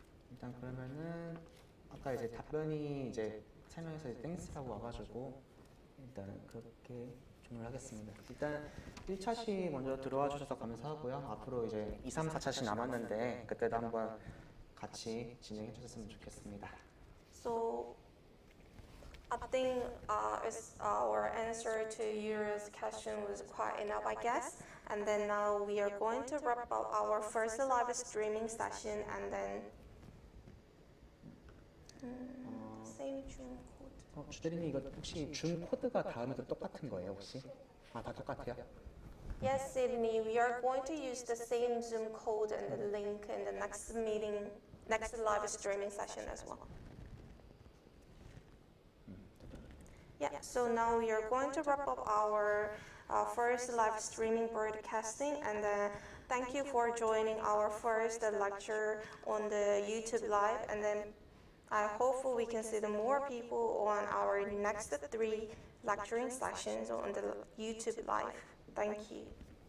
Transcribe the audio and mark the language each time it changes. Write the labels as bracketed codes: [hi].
[ko] 일단 그러면은 아까 이제 답변이 이제 설명에서 땡스라고 와가지고 일단 그렇게 종료를 하겠습니다. 일단 1차시 먼저 들어와 주셔서 감사하고요. 앞으로 이제 2, 3, 4차시 남았는데 그때도 한번 같이 진행해 주셨으면 좋겠습니다. [en] So I think it's our answer to Yuri's question was quite enough, I guess. And then now we are going to wrap up our first live streaming session and then same Zoom code. [ko] 어, 주대리님 이거 혹시 Zoom 코드가 다음에도 똑같은 거예요, 혹시? 아, 다 똑같아요? [en] Yes, Sydney. We are going to use the same Zoom code and the link in the next meeting, next live streaming session as well. Yeah, so now we are going to wrap up our first live streaming broadcasting, and thank you for joining our first lecture on the YouTube Live, and then I hope we can see the more people on our next three lecturing sessions on the YouTube Live. Thank you.